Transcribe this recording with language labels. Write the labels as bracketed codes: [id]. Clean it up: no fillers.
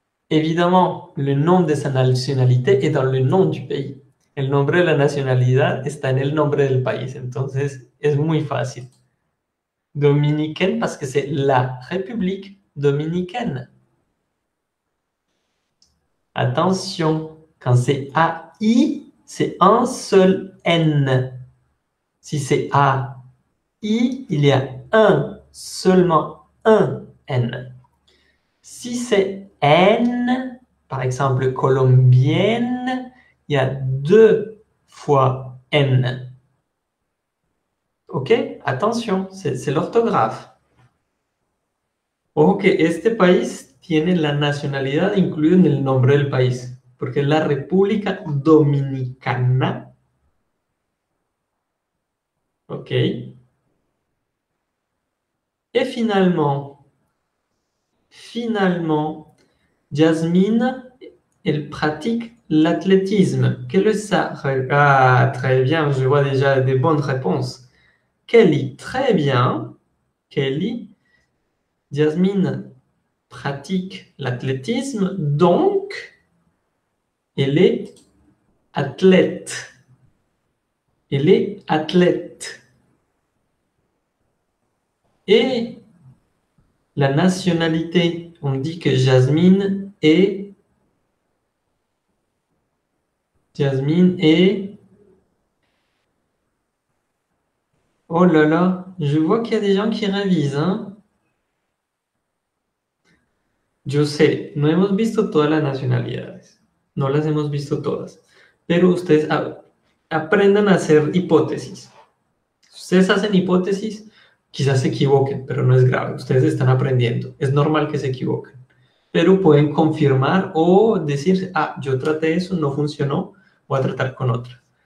[fr] Évidemment, le nom de sa nationalité est dans le nom du pays. [es] El nombre de la nacionalidad está en el nombre del país, entonces es muy fácil. [fr] Dominicaine, parce que c'est la République dominicaine. Attention, quand c'est AI, c'est un seul N. Si c'est AI, il y a un, seulement un N. Si c'est N, par exemple colombienne, il y a deux fois N. Ok? Attention, c'est l'orthographe. [es] Ok, este país tiene la nacionalidad incluida en el nombre del país, porque es la República Dominicana. Ok. [fr] Et finalement, Jasmine, elle pratique l'athlétisme. Quel est ça? Ah, très bien, je vois déjà des bonnes réponses. Kelly, très bien. Kelly, Jasmine pratique l'athlétisme, donc elle est athlète. Elle est athlète. Et la nationalité, on dit que Jasmine est... Jasmine est... Oh là là, je vois qu'il y a des gens qui révisent, hein? Je sais, [es] no hemos visto todas las nacionalidades. No las hemos visto todas. Pero ustedes aprendan a hacer hipótesis. Ustedes hacen hipótesis, quizás se equivoquen, pero no es grave. Ustedes están aprendiendo. Es normal que se equivoquen. Pero pueden confirmar o decir, ah, yo traté eso, no funcionó. Voy a tratar con otra.